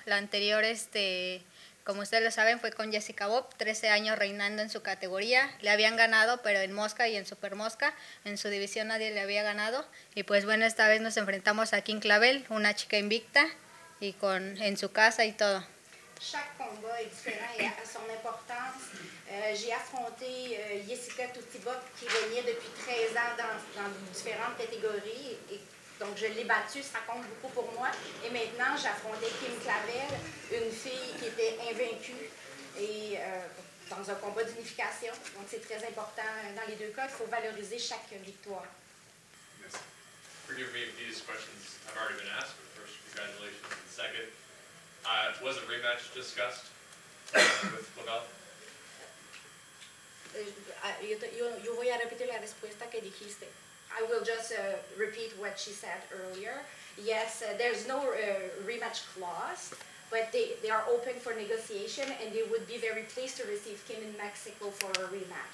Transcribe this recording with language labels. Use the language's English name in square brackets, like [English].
[Spanish] La anterior, como ustedes lo saben, fue con Jessica Bob, 13 años reinando en su categoría. Le habían ganado, pero en Mosca y en Super Mosca, en su división nadie le había ganado. Y pues bueno, esta vez nos enfrentamos a King Clavel, una chica invicta, y con en su casa y todo. [French] Chaque combat est différent et a son importance. J'ai affronté Jessica Tutibok qui régnait depuis 13 ans dans différentes catégories. Et donc je l'ai battue, ça compte beaucoup pour moi. Et maintenant j'affrontais Kim Clavel, une fille qui était invaincue et dans un combat d'unification. Donc c'est très important dans les deux cas, il faut valoriser chaque victoire. [English] Forgive me if these questions have already been asked, but first, congratulations. And second, was a rematch discussed with Clavel? [Spanish] Yo voy a repetir la respuesta que dijiste. [English] I will just repeat what she said earlier. Yes, there's no rematch clause, but they are open for negotiation and they would be very pleased to receive Kim in Mexico for a rematch.